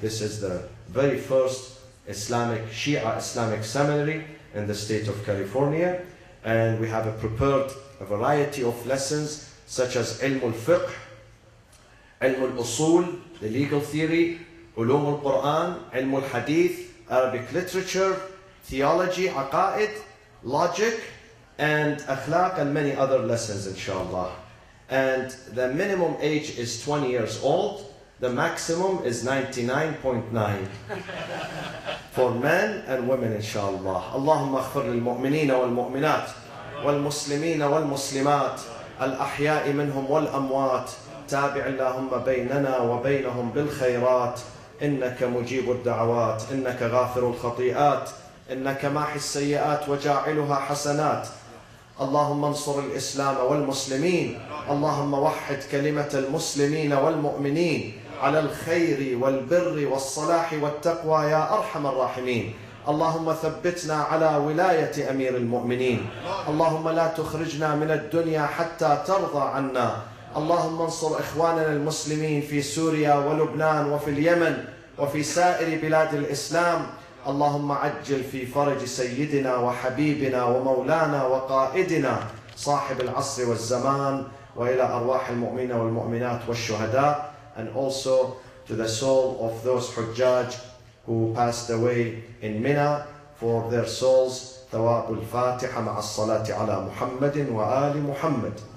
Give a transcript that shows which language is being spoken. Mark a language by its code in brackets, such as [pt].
[en] This is the very first Shia Islamic seminary in the state of California, and we have prepared a variety of lessons such as ilm al-fiqh, ilm al-usul, the legal theory, ulum al-Qur'an, ilm al-hadith, Arabic literature, theology, aqa'id, logic, and akhlaq, and many other lessons, inshallah. And the minimum age is 20 years old. The maximum is 99.9 for men and women, inshallah. [ar] Allahumma aghfir lil-mu'minina wal-mu'minat, wal-muslimina wal-muslimat, الأحياء منهم والأموات تابع اللهم بيننا وبينهم بالخيرات إنك مجيب الدعوات إنك غافر الخطيئات إنك ماحي السيئات وجاعلها حسنات. اللهم انصر الإسلام والمسلمين، اللهم وحد كلمة المسلمين والمؤمنين على الخير والبر والصلاح والتقوى يا أرحم الراحمين. اللهم ثبتنا على ولاية أمير المؤمنين، اللهم لا تخرجنا من الدنيا حتى ترضى عنا. اللهم انصر إخواننا المسلمين في سوريا ولبنان وفي اليمن وفي سائر بلاد الإسلام. اللهم عجل في فرج سيدنا وحبيبنا ومولانا وقائدنا صاحب العصر والزمان، وإلى أرواح المؤمنين والمؤمنات والشهداء. [en] And also to the soul of those Hujjaj who passed away in Mina, for their souls, [ar] ثواب الفاتحة مع الصلاة على محمد وآل محمد.